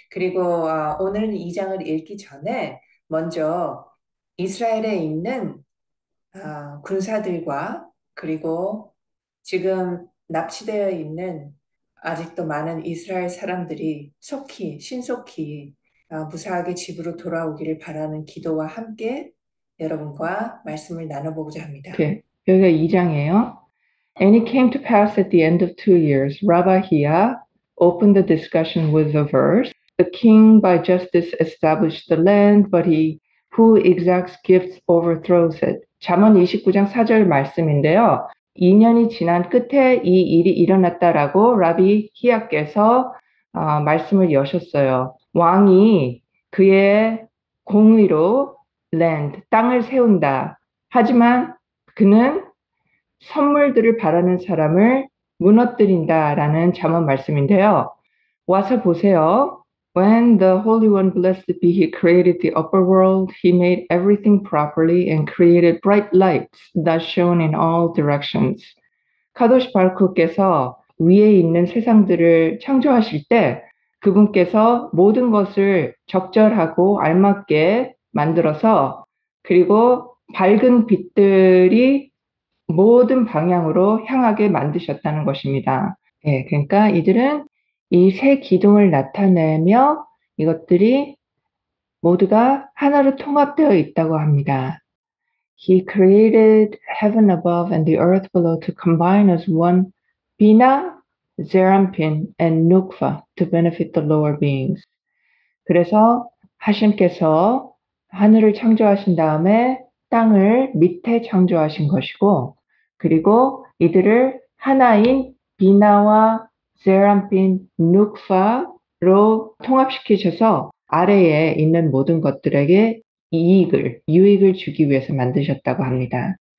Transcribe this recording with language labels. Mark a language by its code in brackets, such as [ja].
[ko] 그리고 오늘은 2장을 읽기 전에 먼저 이스라엘에 있는 군사들과 그리고 지금 납치되어 있는 아직도 많은 이스라엘 사람들이 속히 신속히 무사하게 집으로 돌아오기를 바라는 기도와 함께 여러분과 말씀을 나눠보고자 합니다. 오케이, 여기가 2장이에요. [en] And it came to pass at the end of 2 years, Rabbah Hiyya opened the discussion with the verse, "The king by justice established the land, but he who exacts gifts overthrows it." [ko] 잠언 29장 4절 말씀인데요. 2년이 지난 끝에 이 일이 일어났다라고 라비 히야께서 말씀을 여셨어요. 왕이 그의 공의로 land, 땅을 세운다. 하지만 그는 선물들을 바라는 사람을 무너뜨린다라는 잠언 말씀인데요. 와서 보세요. [en] When the Holy One blessed be, he created the upper world. He made everything properly and created bright lights that shone in all directions. [ko] 카도시 바르크께서 위에 있는 세상들을 창조하실 때 그분께서 모든 것을 적절하고 알맞게 만들어서 그리고 밝은 빛들이 모든 방향으로 향하게 만드셨다는 것입니다. 예, 그러니까 이들은 이세 기둥을 나타내며 이것들이 모두가 하나로 통합되어 있다고 합니다. [en] He created heaven above and the earth below to combine as one Bina, Zerampin, and Nukva to benefit the lower beings. [ko] 그래서 하심께서 하늘을 창조하신 다음에 땅을 밑에 창조하신 것이고 그리고 이들을 하나인 비나와 제람핀 눅파로 통합시키셔서 아래에 있는 모든 것들에게 이익을, 유익을 주기 위해서 만드셨다고 합니다.